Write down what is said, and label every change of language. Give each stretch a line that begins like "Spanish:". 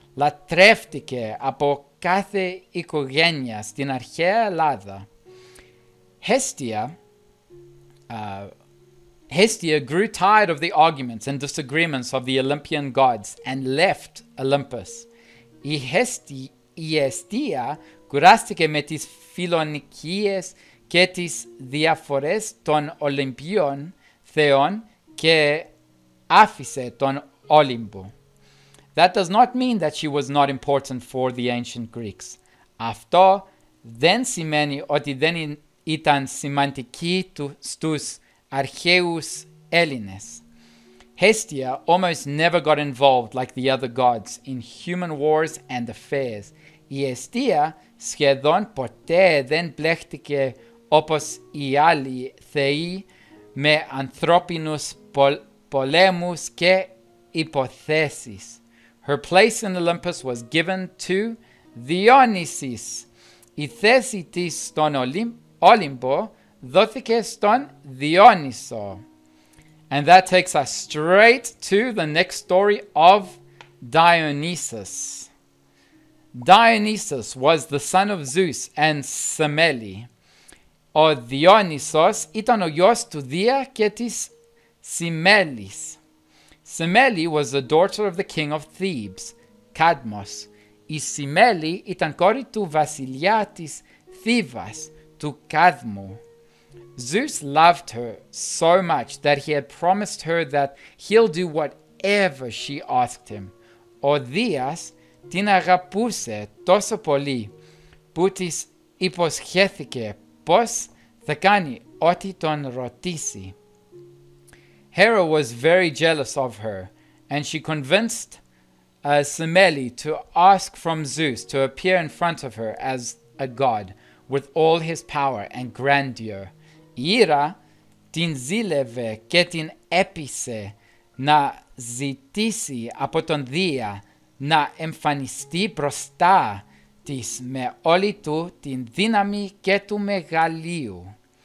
Greek: λατρεύτηκε από κάθε οικογένεια στην αρχαία Ελλάδα.
English: Hestia grew tired of the arguments and disagreements of the Olympian gods and left Olympus.
Greek: Η Hestia κουράστηκε με τις φιλονικίες και τις διαφορές των Ολυμπίων θεών και άφησε τον Όλυμπο.
English: That does not mean that she was not important for the ancient Greeks.
Greek: Αυτό δεν σημαίνει ότι δεν ήταν σημαντική στους αρχαίους Έλληνες.
English: Hestia almost never got involved like the other gods in human wars and affairs.
Greek: Η Hestia σχεδόν ποτέ δεν μπλέχτηκε όπως οι άλλοι θεοί με ανθρώπινους πολέμους και υποθέσεις.
English: Her place in Olympus was given to Dionysus.
Greek: Η θέση της στον Όλυμπο δόθηκε στον Διόνυσο.
English: And that takes us straight to the next story of Dionysus. Dionysus was the son of Zeus and Semele.
Greek: Ο Διόνυσος ήταν ο γιος του Δία και της Σημέλης.
English: Semele was the daughter of the king of Thebes, Cadmos.
Greek: Η Semele ήταν κόρη του βασιλιά της Θήβας, του Κάδμου.
English: Zeus loved her so much that he had promised her that he'll do whatever she asked him.
Greek: Ο Δίας την αγαπούσε τόσο πολύ που της υποσχέθηκε πως θα κάνει ό,τι τον ρωτήσει.
English: Hera was very jealous of her, and she convinced Semele to ask from Zeus to appear in front of her as a god with all his power and grandeur.
Greek: Ήρα την ζήλευε και την έπεισε να ζητήσει από τον Δία να εμφανιστεί μπροστά της με όλη του την δύναμη και του μεγαλείου.